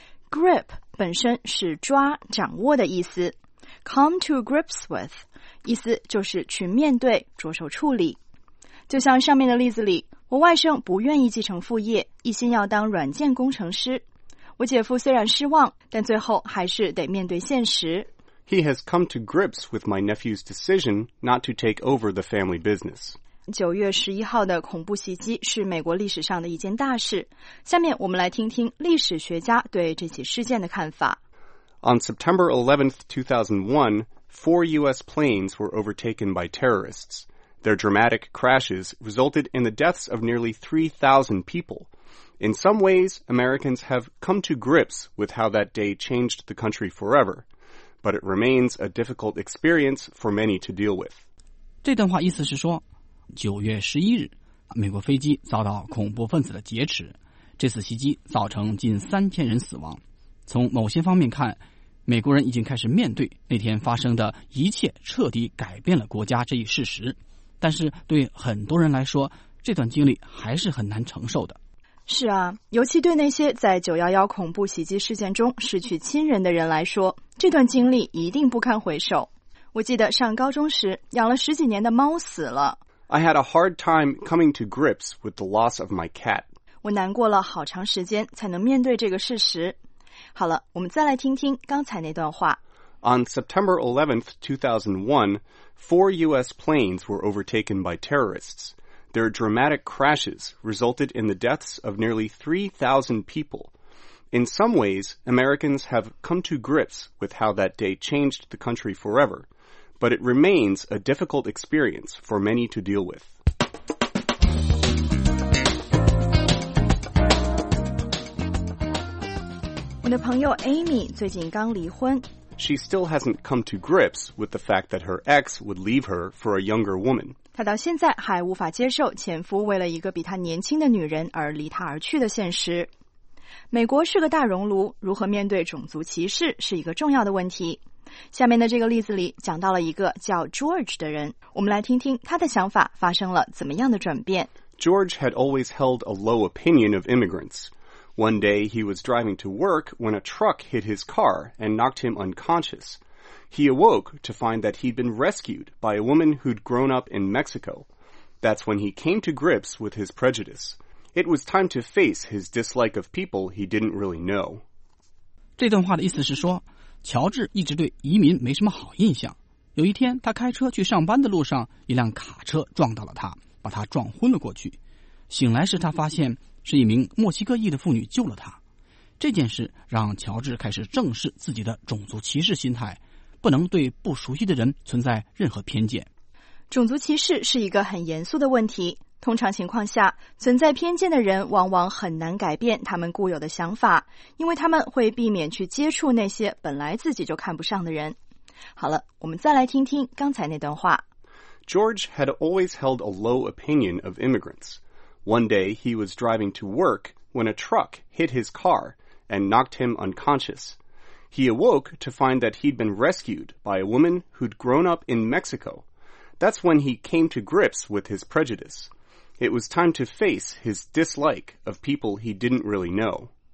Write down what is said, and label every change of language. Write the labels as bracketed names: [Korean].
[Chinese] Grip 本身是抓、掌握的意思。 [English] Come to grips with, [Chinese] 意思就是去面对、着手处理。就像上面的例子里，我外甥不愿意继承父业，一心要当软件工程师。我姐夫虽然失望，但最后还是得面对现实。 [English] He has come to grips with my nephew's decision not to take over the family business. [Chinese] 9月11号的恐怖袭击是美国历史上的一件大事。下面我们来听听历史学家对这起事件的看法。 [English] On September 11th, 2001, four U.S. planes were overtaken by terrorists. Their dramatic crashes resulted in the deaths of nearly 3,000 people. In some ways, Americans have come to grips with how that day changed the country forever. But it remains a difficult experience for many to deal with. [Chinese] 这段话意思是说，9月11日，美国飞机遭到恐怖分子的劫持，这次袭击造成近3000人死亡。从某些方面看，美国人已经开始面对那天发生的一切彻底改变了国家这一事实。但是对很多人来说，这段经历还是很难承受的。是啊，尤其对那些在911恐怖袭击事件中失去亲人的人来说，这段经历一定不堪回首。我记得上高中时，养了十几年的猫死了。 [English] I had a hard time coming to grips with the loss of my cat. [Chinese] 我难过了好长时间才能面对这个事实。好了，我们再来听听刚才那段话。 [English] On September 11th, 2001, four U.S. planes were overtaken by terrorists. Their dramatic crashes resulted in the deaths of nearly 3,000 people. In some ways, Americans have come to grips with how that day changed the country forever, but it remains a difficult experience for many to deal with. My friend [Chinese] Amy 最近刚离婚。 [English] She still hasn't come to grips with the fact that her ex would leave her for a younger woman. [Chinese] 她到现在还无法接受前夫为了一个比她年轻的女人而离她而去的现实。美国是个大熔炉，如何面对种族歧视是一个重要的问题。下面的这个例子里讲到了一个叫 George 的人，我们来听听他的想法发生了怎么样的转变。 [English] George had always held a low opinion of immigrants. One day, he was driving to work when a truck hit his car and knocked him unconscious. He awoke to find that he'd been rescued by a woman who'd grown up in Mexico. That's when he came to grips with his prejudice. It was time to face his dislike of people he didn't really know. [Chinese] 这段话的意思是说，乔治一直对移民没什么好印象。有一天，他开车去上班的路上，一辆卡车撞到了他，把他撞昏了过去。醒来时，他发现是一名墨西哥裔的妇女救了他。这件事让乔治开始正视自己的种族歧视心态，不能对不熟悉的人存在任何偏见。种族歧视是一个很严肃的问题，通常情况下，存在偏见的人往往很难改变他们固有的想法，因为他们会避免去接触那些本来自己就看不上的人。好了，我们再来听听刚才那段话。 [English] George had always held a low opinion of immigrants. One day, he was driving to work when a truck hit his car and knocked him unconscious. He awoke to find that he'd been rescued by a woman who'd grown up in Mexico. That's when he came to grips with his prejudice. It was time to face his dislike of people he didn't really know.